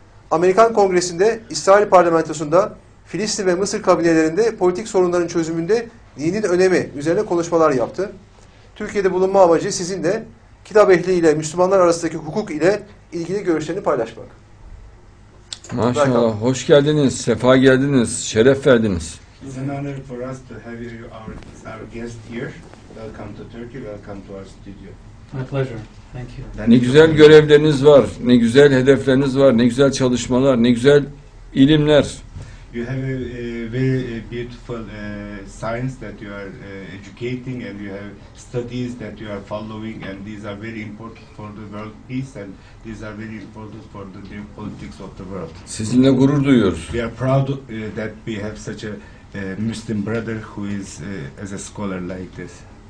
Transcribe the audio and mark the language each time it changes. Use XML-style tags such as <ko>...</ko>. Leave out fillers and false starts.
<tr>Amerikan Kongresi'nde, İsrail Parlamentosu'nda, Filistin ve Mısır kabinelerinde politik sorunların çözümünde dinin önemi üzerine konuşmalar yaptı. Türkiye'de bulunma amacı sizinle kitap ehli ile Müslümanlar arasındaki hukuk ile ilgili görüşlerini paylaşmak. Maşallah, hoş geldiniz, sefa geldiniz, şeref verdiniz.</tr> <en>It's an honor for us to have you our guest here. Welcome to Turkey, welcome to our studio. My pleasure, thank you.</en> <tr>Ne güzel görevleriniz var, ne güzel hedefleriniz var, ne güzel çalışmalar, ne güzel ilimler.</tr> <en>You have a very beautiful science that you are educating and you have studies that you are following and these are very important for the world peace and these are very important for the geopolitics of the world.</en> <tr>Sizinle gurur duyuyoruz.</tr> <en>We are proud that we have such a Muslim brother who is as a scholar like this.</en>